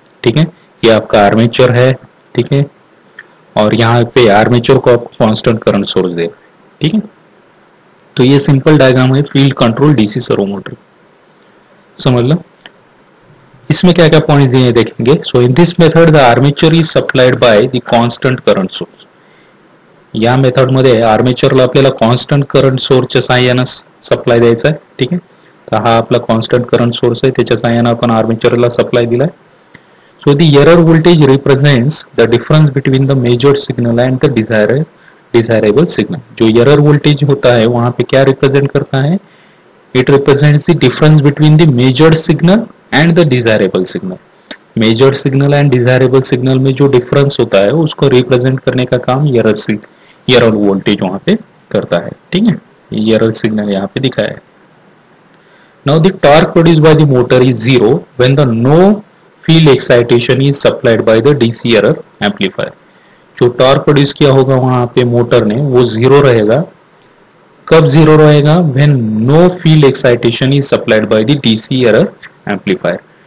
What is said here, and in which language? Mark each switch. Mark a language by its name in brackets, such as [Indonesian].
[Hindi] ठीक है, ये आपका आर्मेचर है. ठीक है, और यहाँ पे आर्मेचर को आपको कॉन्स्टेंट करंट सोर्स दे. ठीक है, तो ये सिंपल डायग्राम है field control DC servo motor. समझ लो इसमें क्या क्या पॉइंट दिए देखेंगे. [English] So in this method the armature is supplied by the constant current source. [Marathi] या मेथड मध्ये आर्मेचरला आपल्याला कॉन्स्टंट करंट सोर्सच्या सहाय्याने सप्लाय द्यायचा आहे. ठीक आहे, तर हा आपला कॉन्स्टंट करंट सोर्स आहे, त्याच्या सहाय्याने आपण आर्मेचरला सप्लाय दिलाय. [English] So the error voltage represents the difference between the measured signal and the desirable signal. [Hindi] जो एरर व्होल्टेज होता है वहां पे क्या रिप्रेजेंट करता है, [English] It represents the difference between the measured signal and the desirable signal. [Hindi] Measured signal and desirable signal में जो डिफरेंस होता है उसको रिप्रेजेंट करने का काम एरर वोल्टेज वहां पे करता है. ठीक है, एरर सिग्नल यहाँ पे दिखाया है. [English] Now the torque produced by the motor is zero when the no field excitation is supplied by the DC error amplifier. [Hindi] जो टॉर्क प्रोड्यूस किया होगा वहां पे मोटर ने वो जीरो रहेगा. कब जीरो रहेगा? [English] When no field excitation is supplied by the DC error amplifier.